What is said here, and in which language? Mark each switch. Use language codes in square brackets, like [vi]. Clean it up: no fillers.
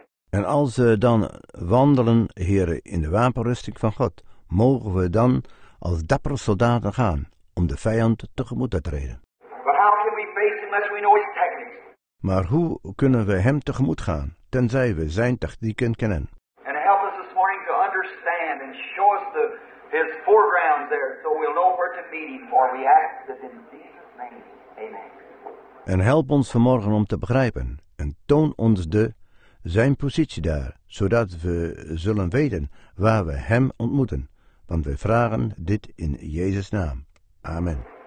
[nl] En als we dan wandelen, heren, in de wapenrusting van God, mogen we dan als dappere soldaten gaan om de vijand tegemoet te treden. [en] But how can we face him unless we know his techniques? [nl] Maar hoe kunnen we hem tegemoet gaan, tenzij we zijn technieken kennen? [en] And help us this morning to understand and show us his foreground there, so we'll know where to meet him, for we ask that in Jesus' name. [nl] En help ons vanmorgen om te begrijpen en toon ons zijn positie daar, zodat we zullen weten waar we hem ontmoeten. Want we vragen dit in Jezus' naam. Amen.